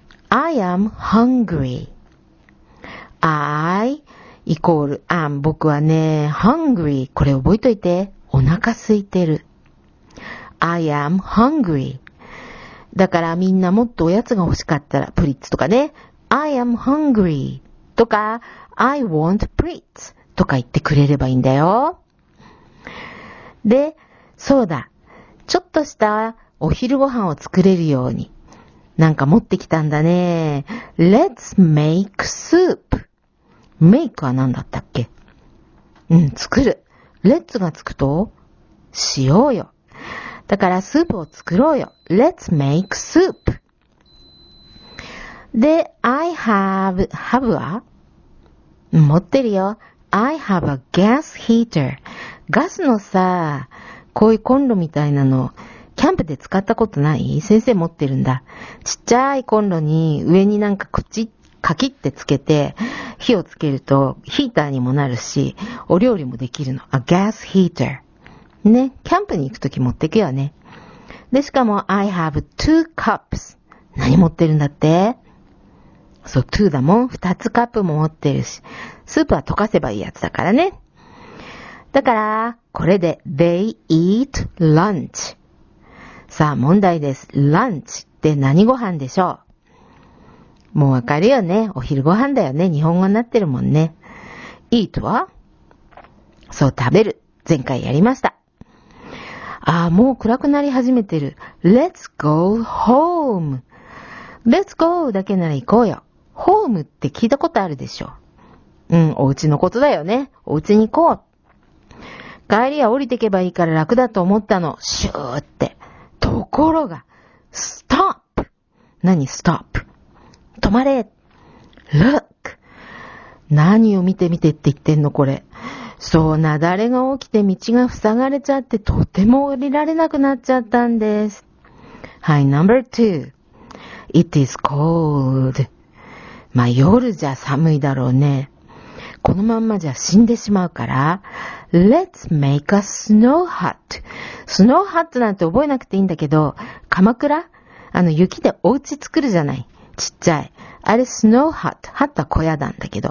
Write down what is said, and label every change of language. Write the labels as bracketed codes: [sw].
[en] I am hungry. [ja] I イコール am。 僕はね、hungry。 これ覚えといて。お腹空いてる。 [en] I am hungry. [ja] だからみんなもっとおやつが欲しかったらプリッツとかね。 [en] I am hungry. とか、I want Pritz. [ja] とか言ってくれればいいんだよ。で、そうだ。ちょっとしたお昼ご飯を作れるように。なんか持ってきたんだね。 [en] Let's make soup. [ja] Make は何だったっけ？うん、作る。 Let's がつくと、しようよ。だからスープを作ろうよ。 [en] Let's make soup. [ja] で、 [en] I have... [ja] Have は？持ってるよ。 [en] I have a gas heater. [ja] ガスのさ、こういうコンロみたいなの、キャンプで使ったことない？先生持ってるんだ。ちっちゃいコンロに上になんかこっち、カキってつけて、火をつけるとヒーターにもなるし、お料理もできるの。 [en] A gas heater. [ja] ね、キャンプに行くとき持ってくよね。で、しかも [en] I have two cups. [ja] 何持ってるんだって？そう、two だもん。二つカップも持ってるし。スープは溶かせばいいやつだからね。だから、これで [en] they eat lunch。 [ja] さあ、問題です。lunch って何ご飯でしょう？もうわかるよね。お昼ご飯だよね。日本語になってるもんね。 eat は？そう、食べる。前回やりました。ああ、もう暗くなり始めてる。 [en] let's go home。 let's go [ja] だけなら行こうよ。home って聞いたことあるでしょ。うん、お家のことだよね。お家に行こう。帰りは降りてけばいいから楽だと思ったの。シューって。ところが、stop! 何 stop? 止まれ !look! 何を見て見てって言ってんのこれ。そう、雪崩が起きて道が塞がれちゃってとても降りられなくなっちゃったんです。 [en] はい、number two.it is cold. [ja] まあ、夜じゃ寒いだろうね。このまんまじゃ死んでしまうから、 [en] Let's make a snow hut. [ja] スノーハットなんて覚えなくていいんだけど、鎌倉？あの雪でお家作るじゃない。ちっちゃい。あれスノーハット。ハットは小屋なんだけど。